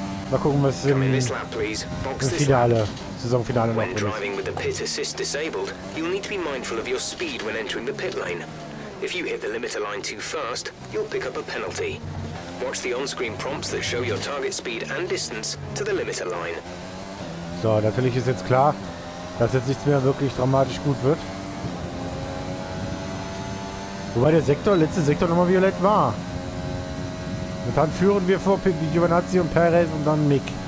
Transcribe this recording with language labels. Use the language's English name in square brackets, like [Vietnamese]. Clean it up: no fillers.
[German] Mal gucken, was im Finale, Saisonfinale noch passiert. [English] If you hit the limiter line too fast, you'll pick up a penalty. Watch the on-screen prompts that show your target speed and distance to the limiter line. [German] So, natürlich ist jetzt klar, dass jetzt nichts mehr wirklich dramatisch gut wird. Wobei der letzte Sektor nochmal violett war. Und dann führen wir vor Giovinazzi und Perez und dann Mick.